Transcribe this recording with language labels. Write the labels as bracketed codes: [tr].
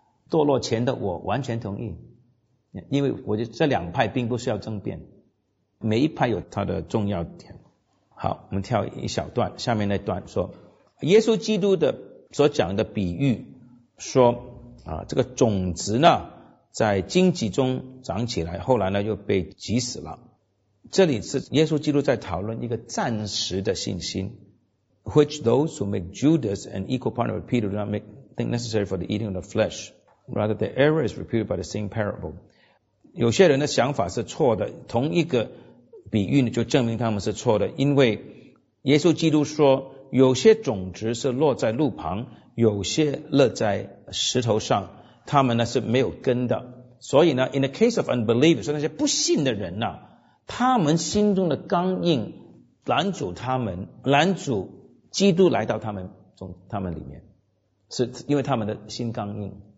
[zh] 堕落前的我完全同意，因为我觉得这两派并不需要争辩，每一派有它的重要点。好，我们跳一小段，下面那段说，耶稣基督的所讲的比喻说这个种子呢在荆棘中长起来，后来呢又被挤死了。这里是耶稣基督在讨论一个暂时的信心， [en] which those who make Judas an equal partner with Peter do not make think necessary for the eating of the flesh. Rather, the error is repeated by the same parable. [zh] 有些人的想法是错的，同一个比喻就证明他们是错的，因为耶稣基督说，有些种子是落在路旁，有些落在石头上，他们呢是没有根的。所以呢 [en] in the case of unbelievers， [zh] 说那些不信的人呢，他们心中的刚硬拦阻他们，拦阻基督来到他们里面，是因为他们的心刚硬。